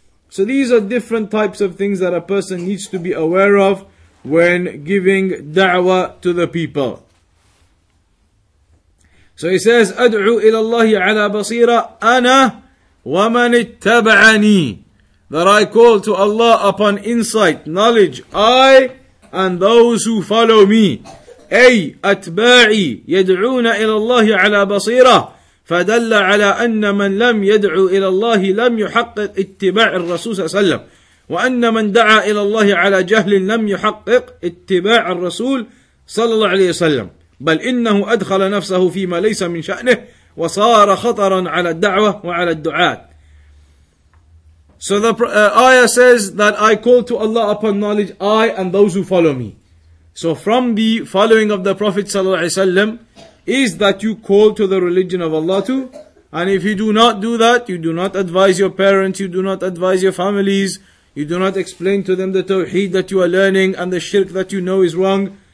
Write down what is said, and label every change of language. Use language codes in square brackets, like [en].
[en] So these are different types of things that a person needs to be aware of when giving da'wah to the people. So he says, [ar] أَدْعُوا إِلَى اللَّهِ عَلَى بَصِيرَةٍ أَنَا وَمَنِ اتَّبَعَنِي. [en] that I call to Allah upon insight, knowledge, I and those who follow me. [ar] أي أتباعي يدعون إلى الله على بصيرة فدل على أن من لم يدعو إلى الله لم يحقق اتباع الرسول صلى الله عليه وسلم وأن من دعا إلى الله على جهل لم يحقق اتباع الرسول صلى الله عليه وسلم بل إنه أدخل نفسه فيما ليس من شأنه وصار خطرا على الدعوة وعلى الدعاة. [en] So the ayah says that I call to Allah upon knowledge, I and those who follow me. So from the following of the Prophet ﷺ is that you call to the religion of Allah too. And if you do not do that, you do not advise your parents, you do not advise your families, you do not explain to them the Tawheed that you are learning and the shirk that you know is wrong.